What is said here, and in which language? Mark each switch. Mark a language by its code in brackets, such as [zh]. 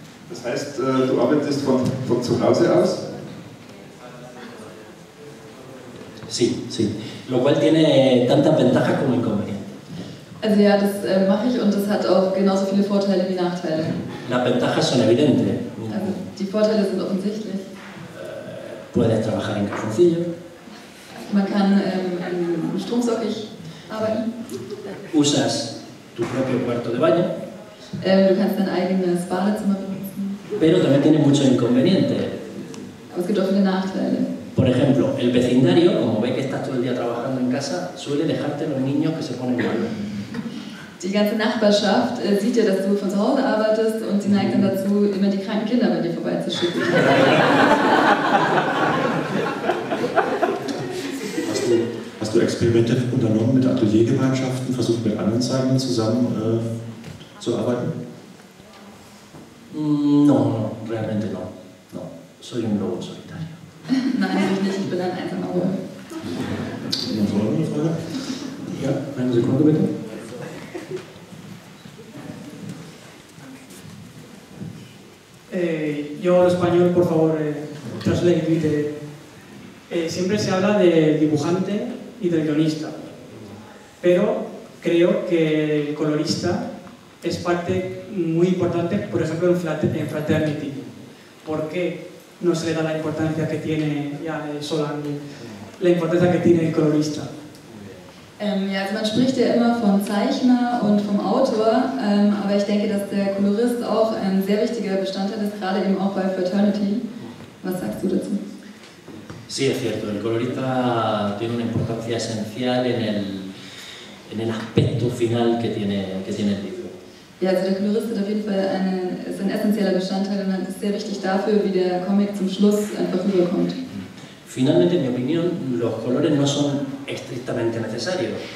[de] Das heißt, du arbeitest von zu Hause aus? [es] Sí, sí. Lo cual tiene tantas ventajas como inconvenientes. [de] Also ja, das mache ich und das hat auch genauso viele Vorteile wie Nachteile. [es] Las ventajas son evidentes. [de] Also, die Vorteile sind offensichtlich. [es] Puedes trabajar en calzoncillo. [de] Man kann stromsockig arbeiten. [es] Usas tu propio cuarto de baño. [de] Du kannst dein eigenes Badezimmer benutzen. [es] Pero también tiene muchos inconvenientes. [de] Aber es gibt auch viele Nachteile. [es] Por ejemplo, el vecindario, como ve que estás todo el día trabajando en casa, suele dejarte los niños que se ponen mal. [de] Die ganze Nachbarschaft sieht ja, dass du von zu Hause arbeitest und sie neigt dann dazu, immer die kranken Kinder bei dir vorbeizuschicken. Hast du Experimente unternommen mit Ateliergemeinschaften, versucht mit anderen Zeichnern zusammen zu arbeiten? [es] No, realmente no. No, soy un lobo solitario. [de] Nein, natürlich nicht. Ich bin ein einsamer Hund. Ja, eine Sekunde bitte. [es] Yo al español, por favor, [en] translate. [es] Siempre se habla del dibujante y del guionista, pero creo que el colorista es parte muy importante, por ejemplo, en Fraternity. ¿Por qué no se le da la importancia que tiene ya Solan, la importancia que tiene el colorista? [de] Ja, also man spricht ja immer vom Zeichner und vom Autor, aber ich denke, dass der Kolorist auch ein sehr wichtiger Bestandteil ist, gerade eben auch bei Fraternity. Was sagst du dazu? [es] Sí, es cierto. El colorista tiene una importancia esencial en el aspecto final que tiene el libro. [de] Ja, also der Kolorist hat auf jeden Fall eine, ist ein essentieller Bestandteil und ist sehr wichtig dafür, wie der Comic zum Schluss einfach rüberkommt. [es] Finalmente, en mi opinión, los colores no son estrictamente necesarios.